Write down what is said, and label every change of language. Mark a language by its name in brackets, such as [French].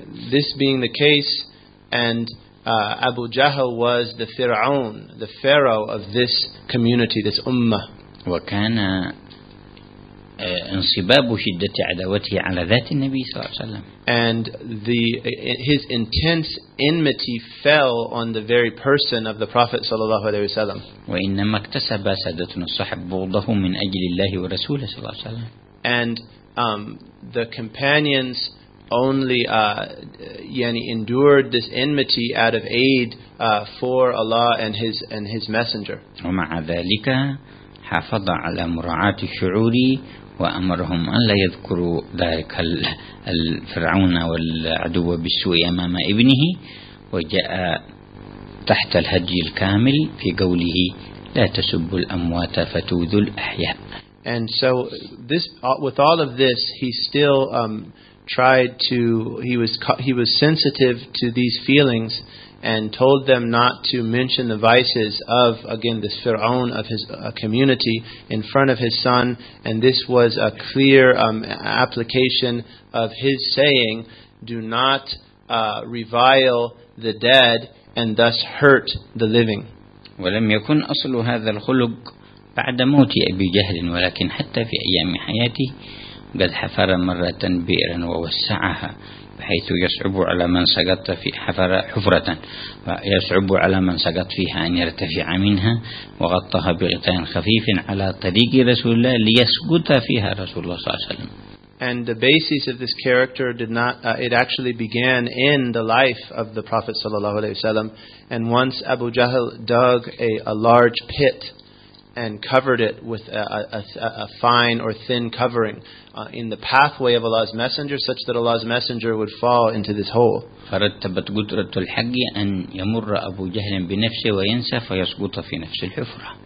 [English] This being the case, and Abu Jahl was the Fir'aun, the Pharaoh of this community, this ummah. [Arabic] وكان انصباب شدة عداوته على ذات النبي صلى الله عليه وسلم. [English] And the his intense enmity fell on the very person of the Prophet صلى الله عليه وسلم. [Arabic] وإنما اكتسب سادتنا الصحب بغضه من أجل الله ورسوله صلى الله عليه وسلم. [English] And the companions only yani endured this enmity out of aid for Allah and his messenger. [Arabic] ومع ذلك حافظ على مراعاة الشعور وأمرهم أن لا يذكروا ذلك الفرعون والعدو بالسوء أمام ابنه وجاء تحت الهدي الكامل في قوله لا تسبوا الأموات فتؤذوا الأحياء. [English] And so this with all of this he still tried to he was sensitive to these feelings and told them not to mention the vices of again this Fir'aun of his community in front of his son, and this was a clear application of his saying do not revile the dead and thus hurt the living. [Arabic] ولم يكن أصل هذا الخلق بعد موت أبي جهل ولكن حتى في أيام حياته قد حفر مرة بئرا ووسعها بحيث يصعب على من سقط في حفر حفرة ويصعب على من سقط فيها أن يرتفع منها وغطها بغطاء خفيف على طريق رسول الله ليسقط فيها رسول الله صلى الله عليه وسلم. [English] And the basis of this character did not it actually began in the life of the Prophet sallallahu alaihi wasallam. And once Abu Jahl dug a large pit and covered it with a fine or thin covering in the pathway of Allah's Messenger, such that Allah's Messenger would fall into this hole. [Arabic] فرتبت قدرة الحق أن يمر أبو جهل بنفسه وينسى فيسقط في نفس الحفرة.